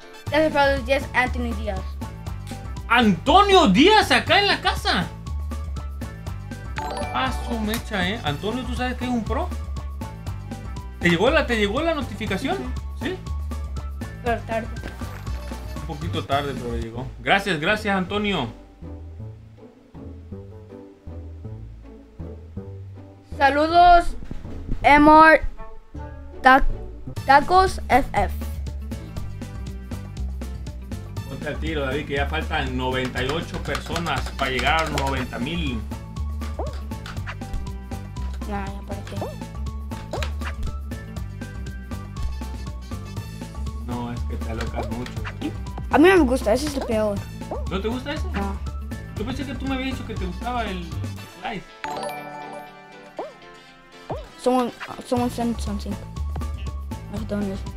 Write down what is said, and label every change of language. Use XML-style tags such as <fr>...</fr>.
<en>That's the brother, yes, Anthony Diaz.</en> <es>¡Antonio Diaz acá en la casa! Paso mecha, Antonio, ¿tú sabes que es un pro? ¿Te llegó la notificación? Sí. Pero tarde. Un poquito tarde, pero llegó. Gracias, Antonio. Saludos, Emor Tacos FF. Al tiro, David, que ya faltan 98 personas para llegar a 90,000. Nah, ya para qué. No, es que te alocas mucho. A mí no me gusta, ese es el peor. ¿No te gusta ese? No. Yo pensé que tú me habías dicho que te gustaba el slice.</es> <en>Someone sent something. I don't know.</en>